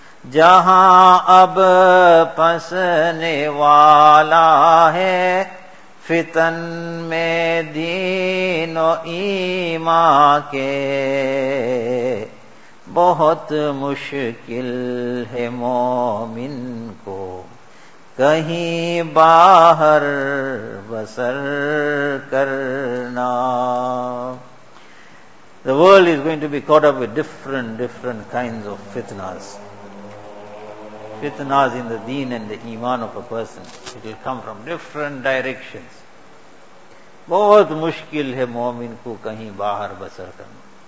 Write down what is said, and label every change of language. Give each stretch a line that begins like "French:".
Urdu: جہاں اب پھنسنے والا ہے فتن میں دین و ایمان کے بہت مشکل ہے مومن کو کہیں باہر بسر کرنا.
English: The world is going to be caught up with different kinds of fitnas. Fitnas in the deen and the iman of a person. It will come from different directions.
Urdu: بہت مشکل ہے مومن کو کہیں باہر بسر کرنا.